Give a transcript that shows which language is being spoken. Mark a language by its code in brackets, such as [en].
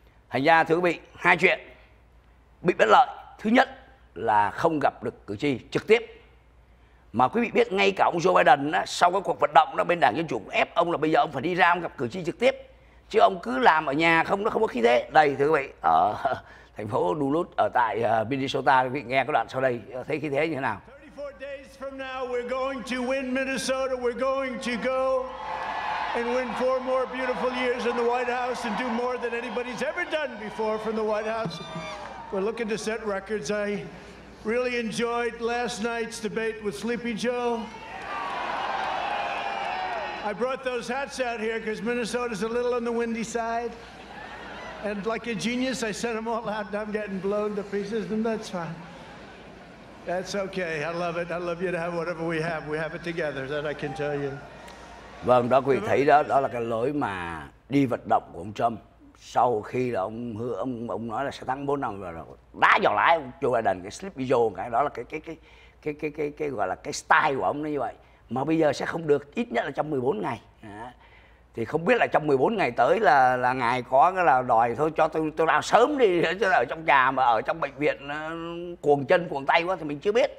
[vi] Thành ra thưa quý vị, hai chuyện bị bất lợi. Thứ nhất là không gặp được cử tri trực tiếp. Mà quý vị biết ngay cả ông Joe Biden đó, sau cái cuộc vận động đó bên Đảng Dân Chủ ép ông là bây giờ ông phải đi ra ông gặp cử tri trực tiếp. Chứ ông cứ làm ở nhà không, nó không có khí thế. Đây thưa quý vị, ở thành phố Duluth ở tại Minnesota, quý vị nghe cái đoạn sau đây thấy khí thế như thế nào. [en] 34 days from now we're going to win Minnesota, we're going to go and win four more beautiful years in the White House and do more than anybody's ever done before from the White House. We're looking to set records. I really enjoyed last night's debate with Sleepy Joe. I brought those hats out here because Minnesota's a little on the windy side. And like a genius, I sent them all out and I'm getting blown to pieces, and that's fine. That's okay. I love it. I love you to have whatever we have. We have it together, that I can tell you. [vi] Vâng, đó quý vị thấy đó, đó là cái lối mà đi vận động của ông Trump sau khi là ông hứa ông nói là sẽ thắng 4 năm rồi, đá vào lái ông Joe Biden, cái Sleepy Joe, cái đó là cái gọi là cái style của ông nó như vậy. Mà bây giờ sẽ không được, ít nhất là trong 14 ngày. Thì không biết là trong 14 ngày tới là ngài có cái là đòi thôi cho tôi làm sớm đi, chứ ở trong nhà mà ở trong bệnh viện cuồng chân cuồng tay quá thì mình chưa biết.